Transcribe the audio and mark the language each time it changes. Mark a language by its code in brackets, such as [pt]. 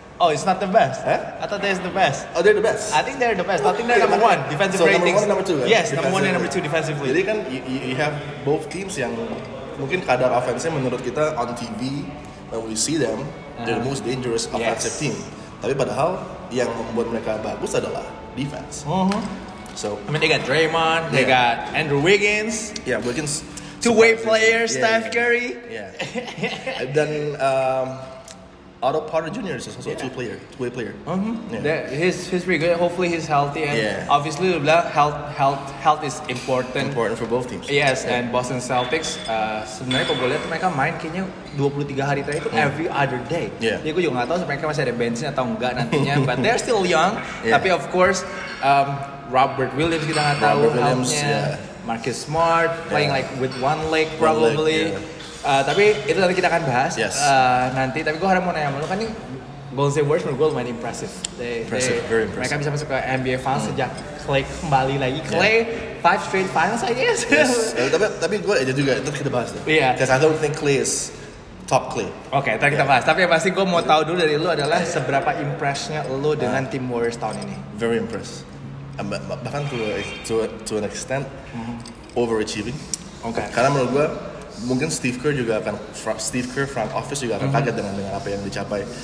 [en] Oh, it's not the best. Huh? I thought they're the best. Oh, they're the best. I think they're the best. I think they're number one defensive so, ratings. So number one, number two. Yes, number one and number two defensively. [id] Jadi kan, [en] you have both teams [id] yang mungkin kadar offense-nya menurut kita [en] on TV when we see them, they're the most dangerous offensive team. [id] Tapi padahal yang membuat mereka bagus adalah defense. [en] So I mean, they got Draymond, they got Andrew Wiggins. Yeah, Wiggins. Two-way player, Steph Curry. Yeah. Dan Otto Porter Jr. is also a two-way player. He's pretty good. Hopefully he's healthy. And obviously, health is important. Important for both teams. Yes, yeah. And Boston Celtics, [id] sebenarnya kalau gue lihat mereka main kayaknya 23 hari terakhir itu [en] every other day. Yeah. [id] Jadi gue juga gak tahu mereka masih ada bensin atau enggak nantinya. [en] But they're still young. Yeah. Tapi of course, Robert Williams [id] kita gak tahu [en] healthnya. Marcus Smart playing like with one leg probably. One leg, yeah. [id] Tapi itu nanti kita akan bahas nanti. Tapi gue harap mau nanya lu kan nih, Golden State Warriors menurut gue lumayan impressive. [en] Very impressive. [id] Mereka bisa masuk ke NBA Finals sejak Clay kembali lagi. [en] Clay, 5 straight finals I guess. [id] tapi gue aja juga, itu kita bahas deh. [en] Yeah. Because I don't think Clay is top Clay. [id] Oke, nanti kita bahas. Tapi yang pasti gue mau tahu dulu dari lu adalah seberapa impressnya lu dengan tim Warriors tahun ini. [en] Very impressed. [id] Bahkan [en] to an extent, overachieving. Okay. [id] Karena menurut gue, mungkin Steve Kerr juga akan front office juga akan kaget dengan apa yang dicapai.